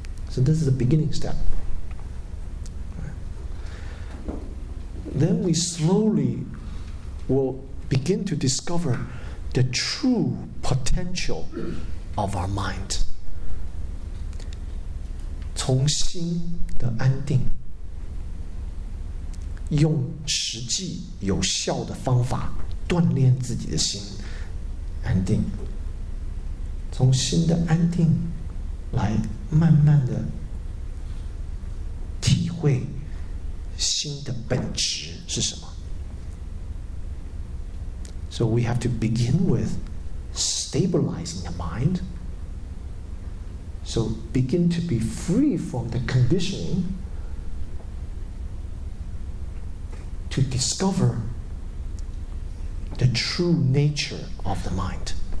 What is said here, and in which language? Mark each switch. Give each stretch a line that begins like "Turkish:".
English: So this is the beginning step. Then we slowly will begin to discover the true potential of our mind.
Chinese: 从心的安定, 用实际有效的方法, 锻炼自己的心, 安定, 从心的安定, 来慢慢的体会, 心的本质是什么?
English: So we have to begin with stabilizing the mind. So begin to be free from the conditioning to discover the true nature of the mind.